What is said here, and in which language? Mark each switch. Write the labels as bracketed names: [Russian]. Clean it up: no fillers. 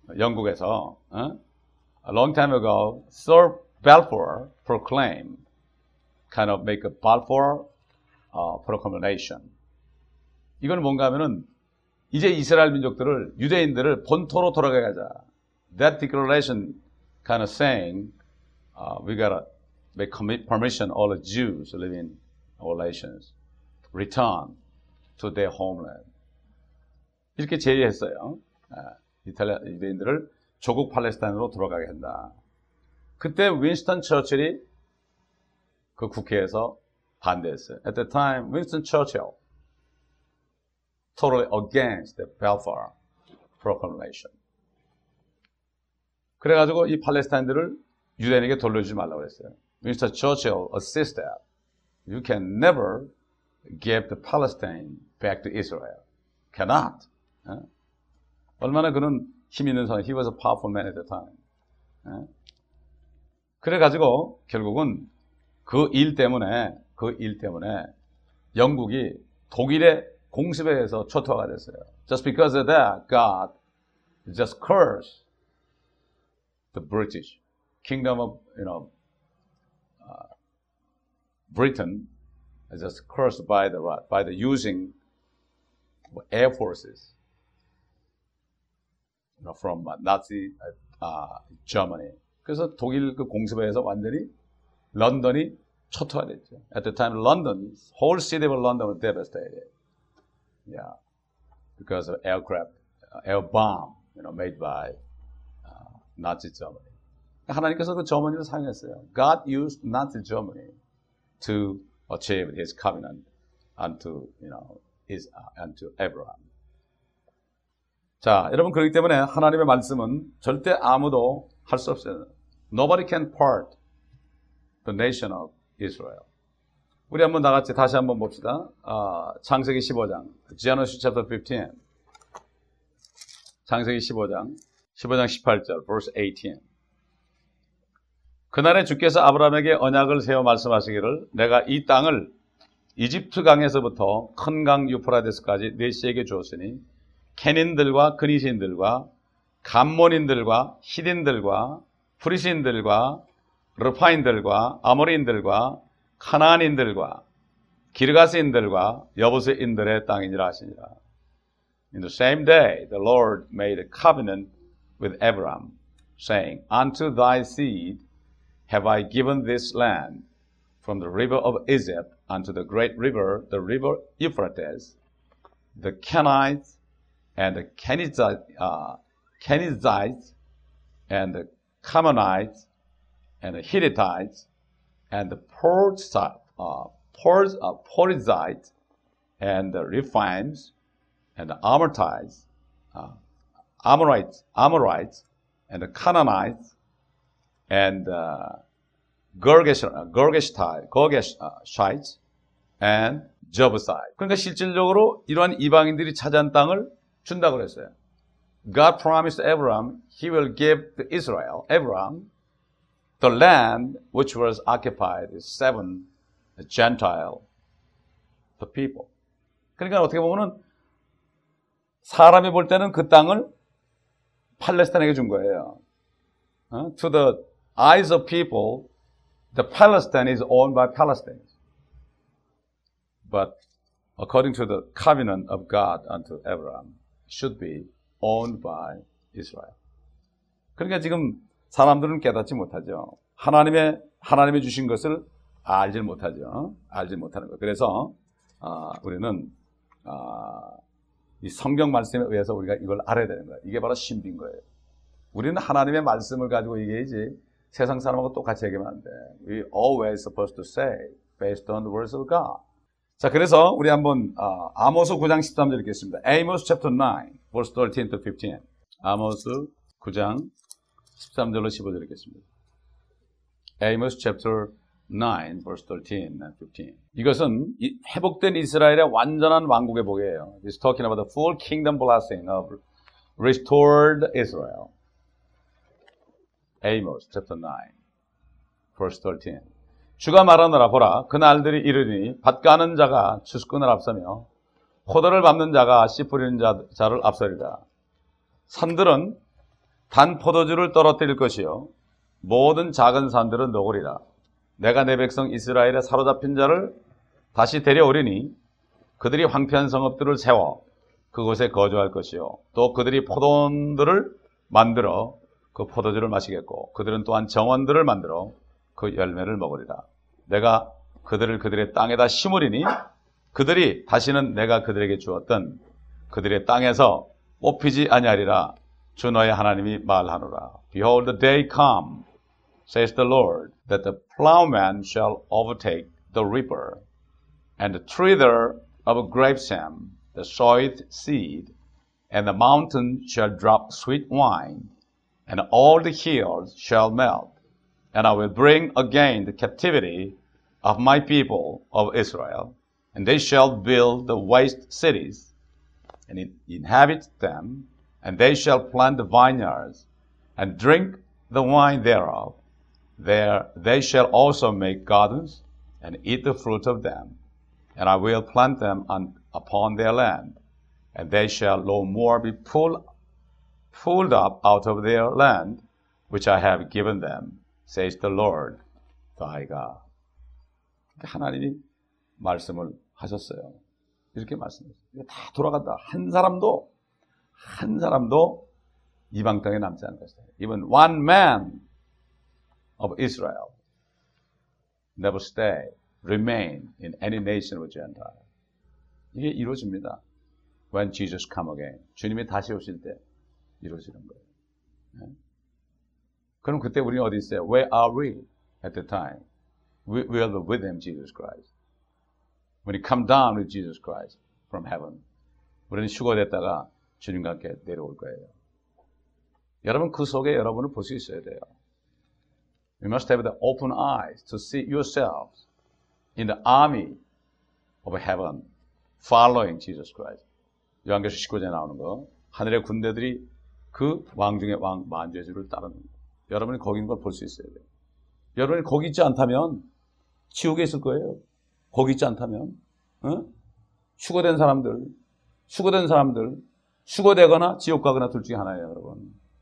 [Korean] 영국에서. [English] A long time ago, Sir Balfour proclaimed kind of make a Balfour proclamation. [Korean] 이건 뭔가 하면은 이제 이스라엘 민족들을 유대인들을 본토로 돌아가자. [English] That declaration kind of saying we gotta make permission all the Jews living in our nations return to their homeland. [Korean] 이렇게 제의했어요. 이탈리아 유대인들을 조국 팔레스타인으로 돌아가게 한다. 그때 윈스턴 처칠이 그 국회에서 반대했어요. [English] At the time, Winston Churchill totally against the Balfour Proclamation. [Korean] 그래가지고 이 팔레스타인들을 유대인에게 돌려주지 말라고 했어요. [English] Winston Churchill assisted. You can never gave the Palestine back to Israel. Cannot. [Korean] 얼마나 그는 힘 있는 사람, [English] he was a powerful man at the time. [Korean] 그래가지고 결국은 그 일 때문에, 그 일 때문에 영국이 독일의 공습에 의해서 초토화가 됐어요. [English] Just because of that, God just cursed the British kingdom of, you know, Britain just cursed by the what? By the using air forces, you know, from Nazi Germany. [Korean] 그래서 독일 그 공습에서 완전히 런던이 초토화됐죠. [English] At the time, London, whole city of London was devastated. Yeah, because of aircraft, air bomb, you know, made by Nazi Germany. [Korean] 하나님께서 그 저머니를 사용했어요. [English] God used Nazi Germany to achieve His covenant unto, you know, His unto Abraham. [Korean] 자, 여러분 그렇기 때문에 하나님의 말씀은 절대 아무도 할 수 없어요. [English] Nobody can part the nation of Israel. [Korean] 우리 한번 다 같이 다시 한번 봅시다. 창세기 15장, [English] Genesis chapter 15. [Korean] 창세기 15장, 15장 18절, [English] verse 18. [Korean] 그날에 주께서 아브라함에게 언약을 세워 말씀하시기를 내가 이 땅을 이집트 강에서부터 큰 강 유프라데스까지 네 씨에게 주었으니 케닌들과 그니시인들과 감몬인들과 히딘들과 프리시인들과 르파인들과 아모리인들과 카나안인들과 기르가스인들과 여부스인들의 땅이니라 하시니라. [English] In the same day the Lord made a covenant with Abraham saying unto thy seed Have I given this land from the river of Egypt unto the great river, the river Euphrates, the Kenites and the Kenizzites and the Canaanites and the Hittites and the Perizzites and the Rephaims and the Amorites and the Canaanites and the Girgashites and Jebusites. [Korean] 그러니까 실질적으로 이러한 이방인들이 차지한 땅을 준다고 했어요. [English] God promised Abraham he will give to Israel, Abraham, the land which was occupied by seven Gentile the people. [Korean] 그러니까 어떻게 보면은 사람이 볼 때는 그 땅을 팔레스타인에게 준 거예요. [English] To the eyes of people, The Palestine is owned by Palestinians. But according to the covenant of God unto Abraham, should be owned by Israel. [Korean] 그러니까 지금 사람들은 깨닫지 못하죠. 하나님이 주신 것을 알지 못하죠. 알지 못하는 거예요. 그래서, 우리는, 이 성경 말씀에 의해서 우리가 이걸 알아야 되는 거예요. 이게 바로 신비인 거예요. 우리는 하나님의 말씀을 가지고 얘기해야지. 세상 사람하고 똑같이 얘기하면 안 돼. [English] We always supposed to say based on the words of God. [Korean] 자, 그래서 우리 한번 아모스 9장 13절 읽겠습니다. [English] Amos chapter 9, verse 13 to 15. [Korean] 아모스 9장 13절로 15절 읽겠습니다. [English] Amos chapter 9, verse 13 and 15. [Korean] 이것은 회복된 이스라엘의 완전한 왕국의 복이에요. [English] It's talking about the full kingdom blessing of restored Israel. Amos chapter 9, verse 13. [Korean] 주가 말하느라 보라, 그 날들이 이르니 밭 가는 자가 추수꾼을 앞서며 포도를 밟는 자가 씨 뿌리는 자를 앞서리라. 산들은 단 포도주를 떨어뜨릴 것이요 모든 작은 산들은 녹으리라. 내가 내 백성 이스라엘에 사로잡힌 자를 다시 데려오리니 그들이 황폐한 성읍들을 세워 그곳에 거주할 것이요 또 그들이 포도원들을 만들어 그 포도주를 마시겠고 그들은 또한 정원들을 만들어 그 열매를 먹으리라. 내가 그들을 그들의 땅에다 심으리니 그들이 다시는 내가 그들에게 주었던 그들의 땅에서 뽑히지 아니하리라. 주 너의 하나님이 말하노라. [English] Behold, the day come, says the Lord, that the plowman shall overtake the reaper, and the treader of grapesham, the soweth seed, and the mountain shall drop sweet wine, And all the hills shall melt, and I will bring again the captivity of my people of Israel, And they shall build the waste cities and inhabit them, and they shall plant the vineyards and drink the wine thereof. There they shall also make gardens and eat the fruit of them, and I will plant them upon their land, and they shall no more be pulled up out of their land, which I have given them, says the Lord thy God. [Korean] 하나님이 말씀을 하셨어요. 이렇게 말씀하셨어요. 다 돌아갔다. 한 사람도 이방 땅에 남지 않았어요. [English] Even one man of Israel never stay, remain in any nation of Gentile. [Korean] 이게 이루어집니다. [English] When Jesus come again. [Korean] 주님이 다시 오실 때 이루어지는 거예요. 네? 그럼 그때 우리는 어디 있어요? [English] Where are we at the time? We are with him, Jesus Christ. When he come down with Jesus Christ from heaven. [Korean] 우리는 휴거됐다가 주님과 함께 내려올 거예요. 여러분 그 속에 여러분을 볼 수 있어야 돼요. [English] You must have the open eyes to see yourselves in the army of heaven following Jesus Christ. [Korean] 요한계시록 19장에 나오는 거. 하늘의 군대들이 그 왕 중에 왕 만주의 주를 따르는 거. 여러분이 거기 있는 걸 볼 수 있어야 돼요. 여러분이 거기 있지 않다면 지옥에 있을 거예요. 거기 있지 않다면. 응? 휴거된 사람들 휴거되거나 지옥 가거나 둘 중에 하나예요, 여러분.